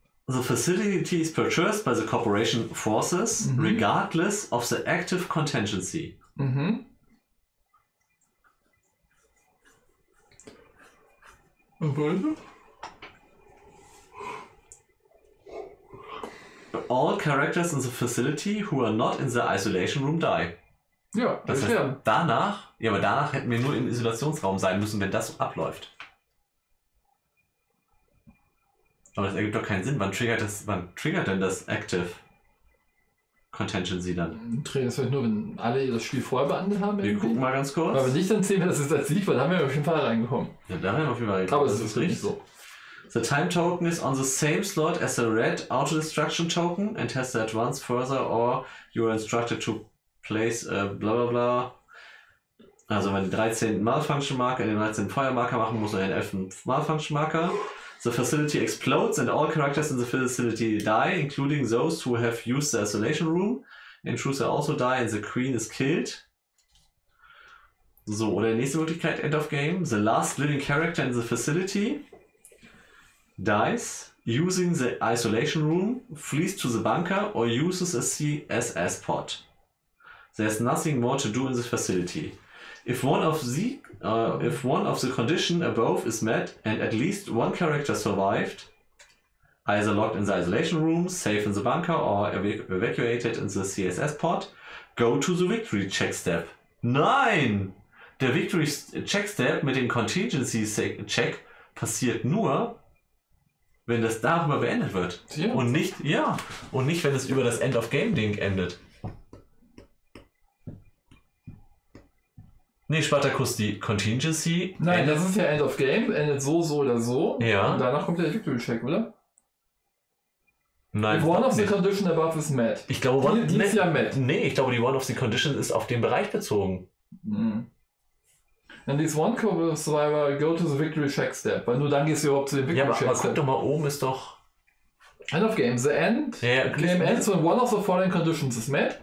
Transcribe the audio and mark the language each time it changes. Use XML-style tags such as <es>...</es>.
<en>The facility is purchased by the corporation forces, mhm, regardless of the active contingency. Mhm. Okay. All characters in the facility who are not in the isolation room die.</en> <de>Ja, das heißt, danach, ja, aber danach hätten wir nur im Isolationsraum sein müssen, wenn das abläuft. Aber das ergibt doch keinen Sinn. Wann triggert denn das Active Contingency dann? Triggert es vielleicht nur, wenn alle das Spiel vorher beendet haben? Wir gucken mal ganz kurz. Weil wenn nicht, dann sehen wir, dass es jetzt liegt, weil da haben wir auf jeden Fall reingekommen. Ja, da haben wir auf jeden Fall reingekommen. Aber es ist nicht so.</de> <en>The time token is on the same slot as the red auto-destruction token and has to advance further or you are instructed to place bla bla bla.</en> <de>Also wenn du 13. Malfunction Marker in den 13. Feuermarker machen musst, oder den 11. Malfunction Marker.</de> <en>The facility explodes and all characters in the facility die, including those who have used the isolation room. Intruder also die and the queen is killed.</en> <de>So, oder nächste Möglichkeit,</de> <en>end of game. The last living character in the facility dies, using the isolation room, flees to the bunker or uses a CSS pod. There's nothing more to do in the facility. If one of the conditions above is met and at least one character survived, either locked in the isolation room, safe in the bunker, or evacuated in the CSS pod, go to the victory check step.</en> <de>Nein! Der victory check step mit dem contingency check passiert nur, wenn das darüber beendet wird. Ja. Und nicht, ja, und nicht, wenn es über das End of Game Ding endet. Nee, Spartacus, die Contingency. Nein, das ist ja End of Game, endet so, so oder so. Ja. Und danach kommt der Victory Check, oder? Nein.</de> <en>One of the Conditions above is met.</en> <de>Ich glaube, die ist ja met. Nee, ich glaube, die One of the Conditions ist auf den Bereich bezogen.</de> <en>Mhm. And this one survivor go to the Victory Check Step.</en> <de>Weil nur dann gehst du überhaupt zu dem Victory Check Step. Ja, aber guck doch mal, oben ist doch.</de> <en>End of game, the end, yeah, game ends when one of the following conditions is met.</en>